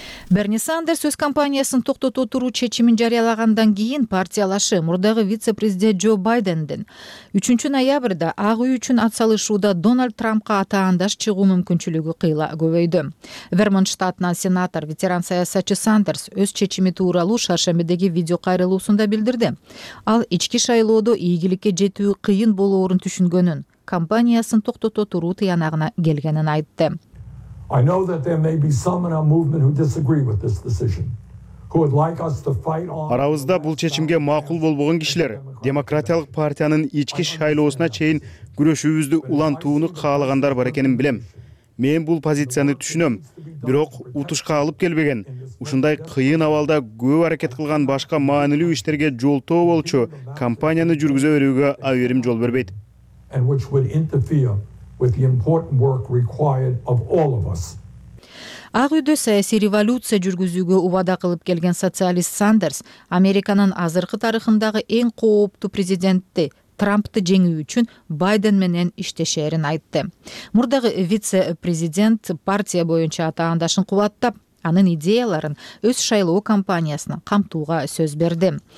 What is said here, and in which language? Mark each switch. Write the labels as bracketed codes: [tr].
[ky] Берни Сандерс өз кампаниясын токтотуу туруу чечимин жарыялагандан кийин партиялашы мурдагы вице-президент Джо Байдендин 3 ноябрда Ак Үй үчүн ат салышууда Дональд Трампка атаандаш чыгуу мүмкүнчүлүгү кыйла көбөйдү. Вермонт штатынан сенатор, ветеран саясатчы Сандерс өз чечими тууралуу шаршембидеги видео кайрылуусунда билдирди. Ал ички шайлоодо ийгиликке жетүү кыйын болоорун түшүнгөнүн, кампаниясын токтотуу туруу тыянагына келгенин айтты. [en] I know that there may be some in our movement who disagree with this decision, who would like us to fight on. [ky] Арабызда бул чечимге макул болбогон кишилер демократиялык партиянын ички шайлоосуна чейин күрөшүбүздү улантууну каалагандар бар экенин билем. Мен бул позицияны түшүнөм, бирок утушка алып келбеген, ушундай кыйын абалда көп аракет кылган башка маанилүү иштерге жолтоо болчу компанияны жүргүзө берүүгө аберим жол бербейт. [en] And which would interfere with the important work required of all of us. [ky] Ак Үйдө саясий революция жүргүзүүгө убада кылып келген социалист Сандерс Американын азыркы тарыхындагы эң кооптуу президентти Трампты жеңүү үчүн Байден менен иштешерин айтты. Мурдагы вице-президент партия боюнча атаандашын кубаттап, анын идеяларын өз шайлоо кампаниясына камтууга сөз берди.